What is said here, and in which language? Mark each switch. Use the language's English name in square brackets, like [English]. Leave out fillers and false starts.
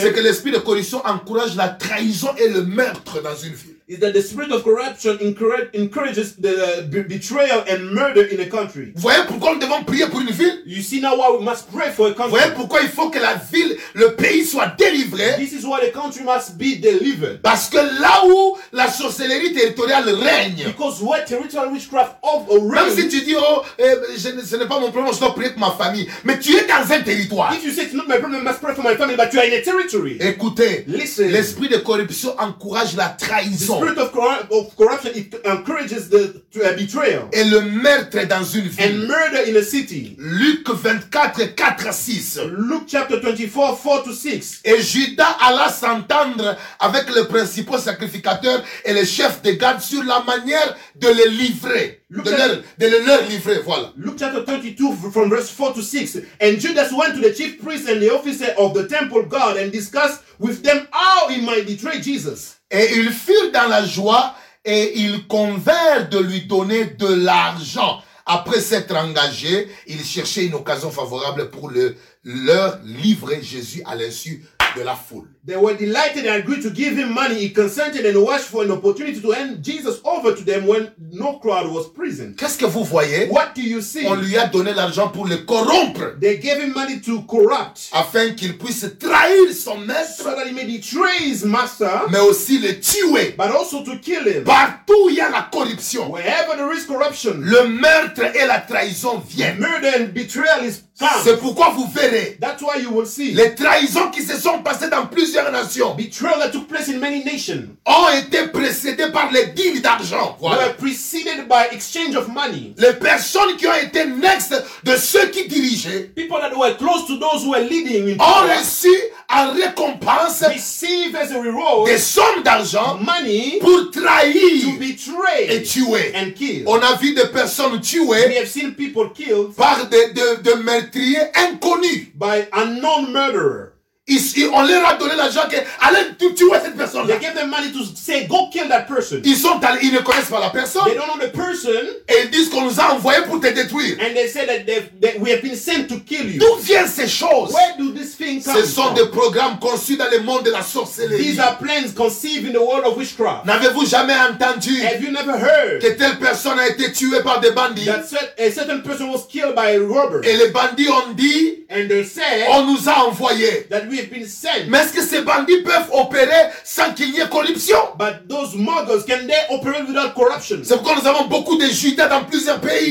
[French] c'est que l'esprit de corruption encourage la trahison et le meurtre dans une ville. [English] Is that the spirit of corruption encourages the betrayal and murder in a country? [French] Voyez pourquoi nous devons prier pour une ville? [English] You see now why we must pray for a country. [French] Voyez pourquoi il faut que la ville, le pays soit délivré. [English] This is why the country must be delivered. [French] Parce que là où la sorcellerie territoriale règne. [English] Because where territorial witchcraft reigns. [French] Même si tu dis ce n'est pas mon problème, je dois prier pour ma famille. Mais tu es dans un territoire. [English] If you say it's not my problem, I must pray for my family, but you are in a territory. [French] Écoutez. [English] Listen. [French] L'esprit de corruption encourage la trahison. [English] The spirit of corruption, it encourages the betrayal. [French] Et le meurtre dans une ville. [English] And murder in a city. [French] Luc 24, 4 à 6. [English] Luke chapter 24, 4 to 6. [French] Et Judas alla s'entendre avec les principaux sacrificateurs et les chefs des gardes sur la manière de les livrer. [English] Luke chapter 22 from verse 4 to 6. And Judas went to the chief priests and the officers of the temple guard and discussed with them how he might betray Jesus. [French] Et ils furent dans la joie et ils convinrent de lui donner de l'argent. Après s'être engagés, ils cherchaient une occasion favorable pour leur livrer Jésus à l'insu de la foule. [English] They were delighted and agreed to give him money. He consented and watched for an opportunity to hand Jesus over to them when no crowd was present. [French] Qu'est-ce que vous voyez? [English] What do you see? [French] On lui a donné l'argent pour le corrompre. [English] They gave him money to corrupt. [French] Afin qu'il puisse trahir son maître. [English] So that he may betray his master. [French] Mais aussi le tuer. [English] But also to kill him. [French] Partout il y a la corruption. [English] Wherever there is corruption. [French] Le meurtre et la trahison viennent. [English] Murder and betrayal is found. [French] C'est pourquoi vous verrez. [English] That's why you will see. [French] Les trahisons qui se sont passées dans plusieurs nations. [English] Betrayal that took place in many nations. [French] Ont été précédés par les deals d'argent. Voilà. [English] They were preceded by exchange of money. [French] Les personnes qui ont été next de ceux qui dirigeaient. [English] People that were close to those who were leading. [French] Ont reçu en récompense. [English] Received as a reward. [French] Des sommes d'argent. [English] Money. [French] Pour trahir. [English] To betray. [French] Et tuer. [English] And kill. [French] On a vu des personnes tuées. [English] We have seen people killed. [French] Par de meurtriers inconnus. [English] By unknown murderer. [French] On leur a donné l'argent que allez tuer cette personne. [English] They gave them money to say go kill that person. [French] Ils sont allés, ils ne connaissent pas la personne. [English] They don't know the person. [French] Et ils disent qu'on nous a envoyé pour te détruire. [English] And they say that we have been sent to kill you. [French] D'où viennent ces choses? [English] Where do these things come? [French] Ce sont Des programmes conçus dans le monde de la sorcellerie. [English] These are plans conceived in the world of witchcraft. [French] N'avez-vous jamais entendu? [English] Have you never heard? [French] Que telle personne a été tuée par des bandits? [English] That a certain person was killed by a robber. [French] Et les bandits ont dit. [English] And they said. [French] On nous a envoyé. [English] That we have been sent. [French] Mais est-ce que ces bandits peuvent opérer sans qu'il y ait corruption? [English] But those muggles, can they operate without corruption? [French] C'est pourquoi nous avons beaucoup de Judas dans plusieurs pays.